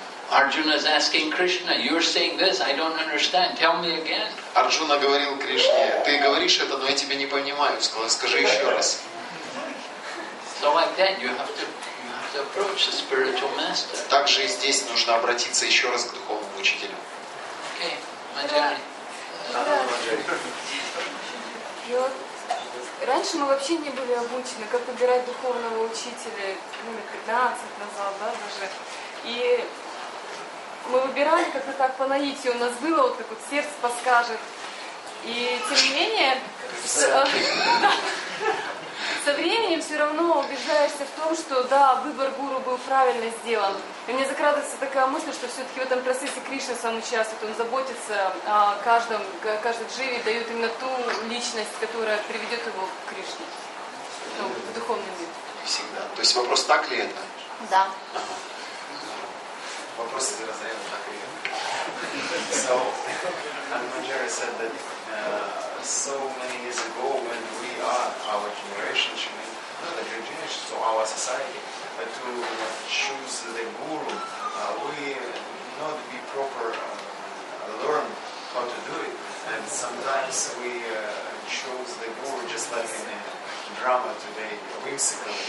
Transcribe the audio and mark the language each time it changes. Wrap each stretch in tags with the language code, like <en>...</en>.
<en>Arjuna is asking Krishna, you're saying this, I don't understand. Tell me again.</en> <ru>Арджуна говорил Кришне, ты говоришь это, но я тебя не понимаю. Скажи еще раз.</ru> <en>So like that, you have to approach the spiritual master.</en> <ru>Также и здесь нужно обратиться еще раз к духовному учителю.</ru> <en>Okay, Madhyani.</en> <ru>Да. И вот, раньше мы вообще не были обучены, как выбирать духовного учителя, ну, 15 назад, да, даже. И мы выбирали как-то так по наитию, у нас было вот как вот сердце подскажет. И тем не менее, со временем все равно убеждаешься в том, что да, выбор гуру был правильно сделан. И мне закрадывается такая мысль, что все-таки в этом процессе Кришна сам участвует, он заботится о каждом, каждой дживе, дает именно ту личность, которая приведет его к Кришне, ну, в духовный мир. Всегда. То есть вопрос, так ли это? Да. Вопрос из разряда, так ли это?</ru> <en>So, Anmanjari said that so many years ago, when we are our generation, she meant the generation, so our society, to choose the guru, we not be proper learn how to do it, and sometimes we choose the guru just like in a drama today, whimsical.</en>